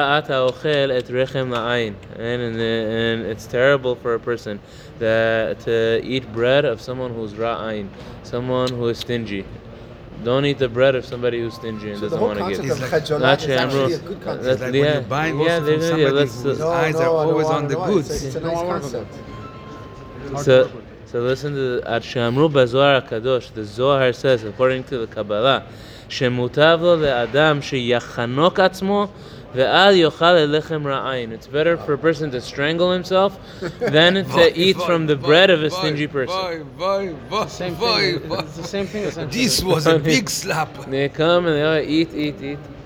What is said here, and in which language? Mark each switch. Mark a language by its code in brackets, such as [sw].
[en] And it's terrible for a person that to eat bread of someone who's ra'ayin, someone who is stingy. Don't eat the bread of somebody who's stingy and so doesn't want to give. It's like actually a good concept. It's like when you're buying from somebody whose eyes are always on the goods. It's a nice concept. So, So listen to the Ad Shamru Bazohar HaKadosh. The Zohar says, according to the Kabbalah, [he] שמוטב לו לאדם שיחנוק עצמו ועל יאכל לחם רעין. [en] It's better for a person to strangle himself than to eat from the bread of a stingy person. This was a big slap. They come and they all eat, eat, eat.